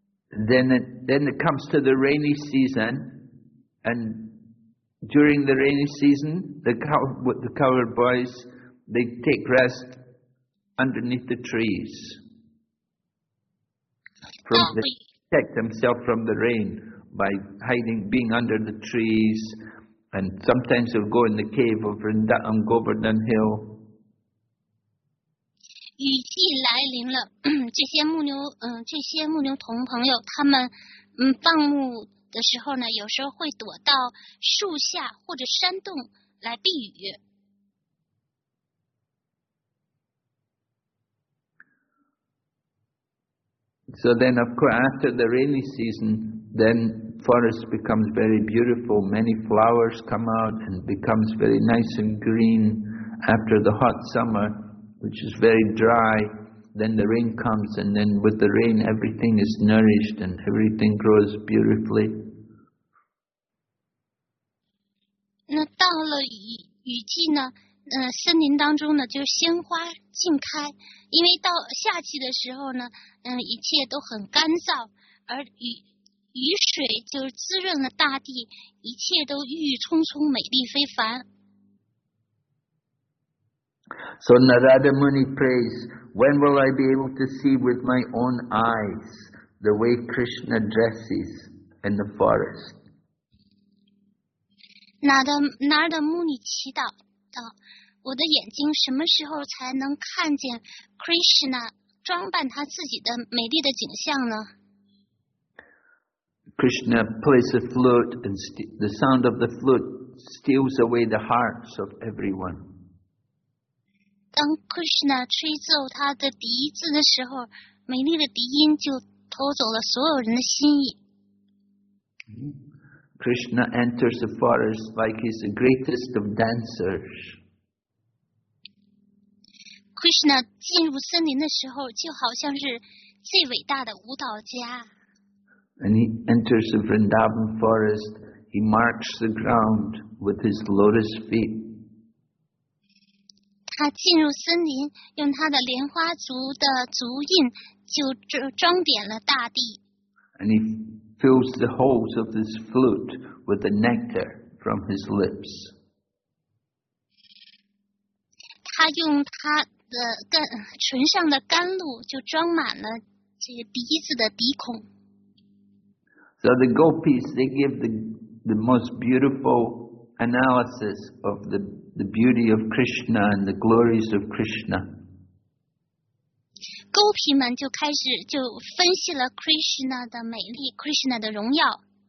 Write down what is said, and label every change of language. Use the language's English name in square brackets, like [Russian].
[English] Then it comes to the rainy season, and during the rainy season, the cowherd boys, they take rest underneath the trees to protect themselves from the rain by hiding, being under the trees, and sometimes they'll go in the cave of Vrindavan Govardhan Hill. [Chinese] 雨季来临了，这些牧牛，这些牧牛童朋友，他们，放牧的时候呢，有时候会躲到树下或者山洞来避雨。 [English] So then, of course, after the rainy season, then forest becomes very beautiful. Many flowers come out and becomes very nice and green after the hot summer, which is very dry. Then the rain comes, and then with the rain, everything is nourished and everything grows beautifully. [Chinese] 那到了雨季呢？森林当中呢，就是鲜花尽开，因为到夏季的时候呢，一切都很干燥，而雨水就是滋润了大地，一切都郁郁葱葱，美丽非凡。 [English] So Narada Muni prays, when will I be able to see with my own eyes the way Krishna dresses in the forest? [Chinese] Narada Muni 祈祷道，我的眼睛什么时候才能看见 Krishna 装扮他自己的美丽的景象呢？ [English] Krishna plays a flute, and the sound of the flute steals away the hearts of everyone. [Chinese] 当 Krishna 吹奏他的笛子的时候，美丽的笛音就偷走了所有人的心意。 [English] Krishna enters the forest like he's the greatest of dancers. [Chinese] Krishna 进入森林的时候就好像是最伟大的舞蹈家。 [English] And he enters the Vrindavan forest, he marks the ground with his lotus feet. [Chinese] 他进入森林，用他的莲花足的足印就装点了大地。 [English] And he fills the holes of his flute with the nectar from his lips. [Chinese] 用他的干唇上的甘露就装满了这个鼻子的鼻孔。 [English] So the gopis, they give the most beautiful analysis of the beauty of Krishna and the glories of Krishna. [Chinese] 勾皮们就开始就分析了 Krishna 的美丽 ,Krishna 的荣耀。